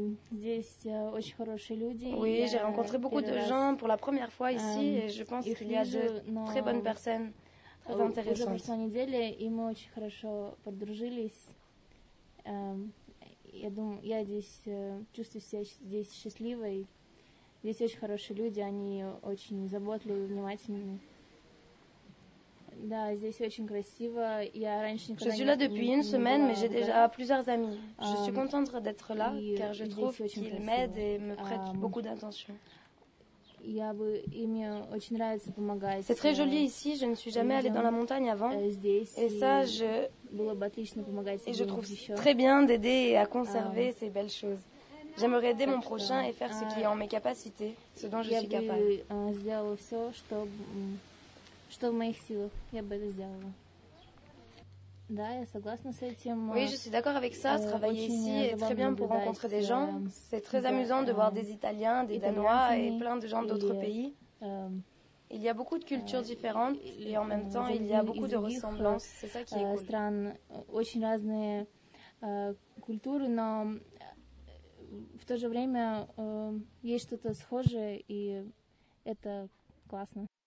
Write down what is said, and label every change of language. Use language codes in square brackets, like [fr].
[ru] Здесь очень хорошие люди. [fr] Oui, j'ai rencontré beaucoup de gens pour la première fois ici et je pense qu'il y a de très bonnes personnes, très intéressantes. [ru] Уже прошла неделя, и мы очень хорошо подружились. Я думаю, я здесь чувствую себя здесь счастливой. Здесь очень хорошие люди, они очень заботливые, внимательные. Да, здесь очень красиво. Я раньше никогда не была. [fr] Je suis là depuis une semaine, mais j'ai déjà plusieurs amis. Je suis contente d'être là, car je trouve qu'ils m'aident et me prêtent beaucoup d'attention. [ru] Я бы им очень нравится помогать. [fr] C'est très joli ici. Je ne suis jamais allée dans la montagne avant. [ru] Здесь. [fr] Et ça, je. [ru] Было бы отлично помогать. [fr] Et je trouve très bien d'aider et à conserver ces belles choses. J'aimerais aider mon prochain et faire ce qui est en mes capacités, ce dont je suis capable. [ru] Я бы сделала все, что в моих силах. Я бы это сделала. Да, я согласна с этим. [fr] Oui, je suis d'accord avec ça. Travailler ici est très bien pour rencontrer des gens. C'est très amusant de voir des Italiens, des Danois et plein de gens d'autres pays. Il y a beaucoup de cultures différentes et en même temps, il y a beaucoup de ressemblances. C'est ça qui est cool. [ru] Стран очень разные культуры, но в то же время есть что-то схожее, и это классно.